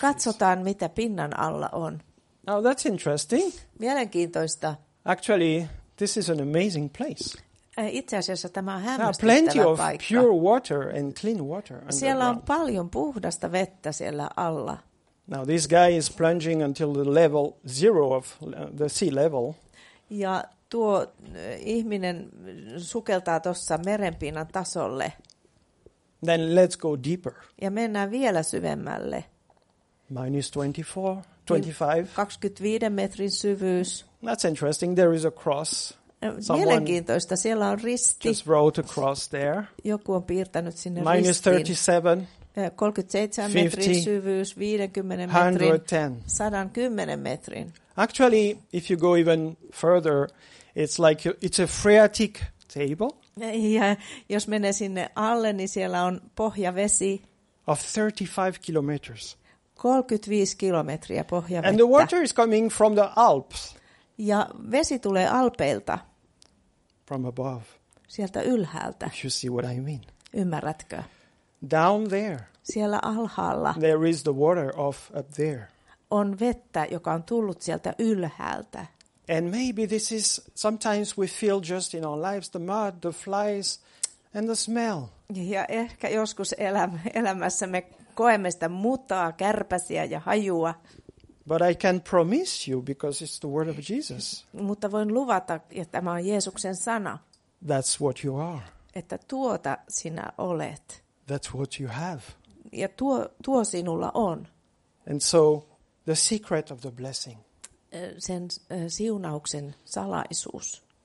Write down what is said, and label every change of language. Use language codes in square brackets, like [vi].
[fi] Katsotaan mitä pinnan alla on. [en] Now that's interesting. [fi] Mielenkiintoista. [en] Actually, this is an amazing place. [fi] Itse asiassa tämä on hämmästyttävä paikka. [en] Pure water and clean water. [fi] Siellä on paljon puhdasta vettä siellä alla. [en] Now this guy is plunging until the level zero of the sea level. [fi] Ja tuo ihminen sukeltaa tuossa merenpinnan tasolle. [en] Then let's go deeper. [fi] Ja mennään vielä syvemmälle. [en] -24, -25. [fi] 25 metrin syvyys. [en] That's interesting. There is a cross. [fi] Mielenkiintoista. Siellä on risti. [en] Just wrote a cross there. [fi] Joku on piirtänyt sinne ristin. -37. 37 metrin syvyys, 50 metrin, 110 metrin. [en] Actually, if you go even further, it's like it's a phreatic table. [fi] Ja jos menee sinne alle, niin siellä on pohjavesi. [en] Of 35 kilometers. [fi] 35 kilometriä pohjavettä. [en] And the water is coming from the Alps. [fi] Ja vesi tulee Alpeilta. [en] From above. [fi] Sieltä ylhäältä. [en] If you see what I mean. [fi] Ymmärrätkö? [en] Down there. [fi] Siellä alhaalla. [en] There is the water of up there. [fi] On vettä, joka on tullut sieltä ylhäältä. [en] And maybe this is sometimes we feel just in our lives the mud, the flies and the smell. [fi] Ja ehkä joskus elämässä me koemme sitä mutaa, kärpäsiä ja hajua. [en] But I can promise you because it's the word of Jesus. [fi] Mutta voin luvata, että tämä on Jeesuksen sana. [en] That's what you are. [fi] Että tuota sinä olet. [en] That's what you have. [fi] Ja tuo sinulla on. [en] And so the secret of the blessing. [fi] Sen siunauksen salaisuus.